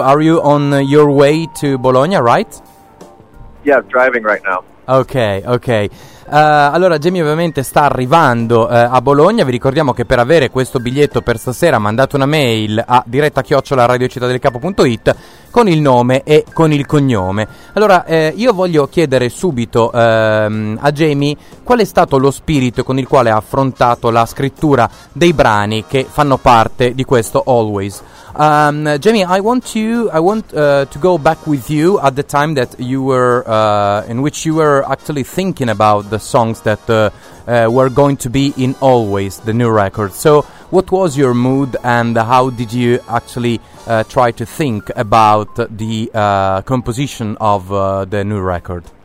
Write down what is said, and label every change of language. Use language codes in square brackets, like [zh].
[en] Are you on your way to Bologna, right? Yeah, I'm driving right now. Okay. [it] Allora Jamie ovviamente sta arrivando a Bologna. Vi ricordiamo che per avere questo biglietto per stasera mandate una mail a diretta@radiocittadelcapo.it con il nome e con il cognome. Allora io voglio chiedere subito a Jamie qual è stato lo spirito con il quale ha affrontato la scrittura dei brani che fanno parte di questo Always. [en] Jamie, I want to go back with you at the time that you were in which you were actually thinking about the songs that were going to be in Always, the new record. So, what was your mood and how did you actually try to think about the composition of the new record?